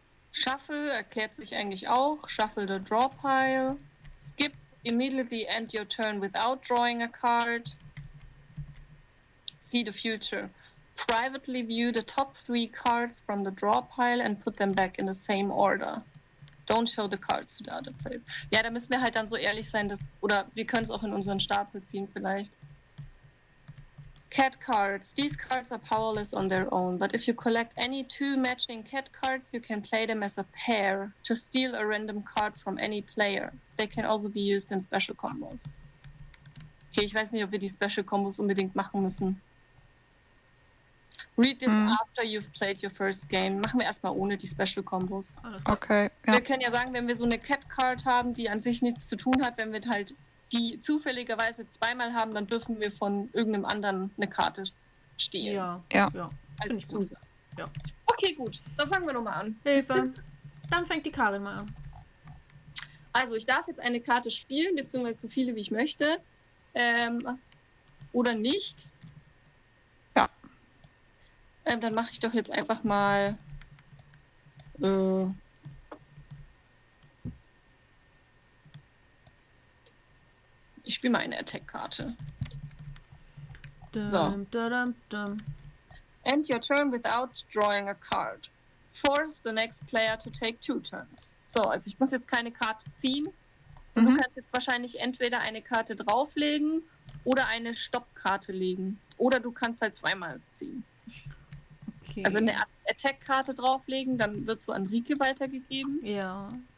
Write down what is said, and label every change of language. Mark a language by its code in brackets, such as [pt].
[de] Shuffle erklärt sich eigentlich auch. [en] Shuffle the draw pile. Skip. Immediately end your turn without drawing a card. See the future. Privately view the top three cards from the draw pile and put them back in the same order. Don't show the cards to the other players. [de] Ja, da müssen wir halt dann so ehrlich sein, dass, oder wir können es auch in unseren Stapel ziehen vielleicht. [en] Cat cards. These cards are powerless on their own, but if you collect any two matching cat cards, you can play them as a pair to steal a random card from any player. They can also be used in special combos. [de] Okay, ich weiß nicht, ob wir die [en] special combos [de] unbedingt machen müssen. [en] Read this after you've played your first game. [de] Machen wir erstmal ohne die [en] special combos. [de] Okay. Ja. Wir können ja sagen, wenn wir so eine cat card haben, die an sich nichts zu tun hat, wenn wir halt die zufälligerweise zweimal haben, dann dürfen wir von irgendeinem anderen eine Karte stehlen. Ja. Ja. Als Zusatz. Ja. Okay, gut. Dann fangen wir nochmal an. Hilfe. Dann fängt die Karin mal an. Also, ich darf jetzt eine Karte spielen, beziehungsweise so viele, wie ich möchte. Oder nicht. Ja. Dann mache ich doch jetzt einfach mal ich spiele mal eine Attack-Karte. So. Da-dum-dum. [en] End your turn without drawing a card. Force the next player to take two turns. [de] So, also ich muss jetzt keine Karte ziehen. Mhm. Du kannst jetzt wahrscheinlich entweder eine Karte drauflegen oder eine Stopp-Karte legen. Oder du kannst halt zweimal ziehen. Okay. Also eine Attack-Karte drauflegen, dann wird es so an Rieke weitergegeben. Ja.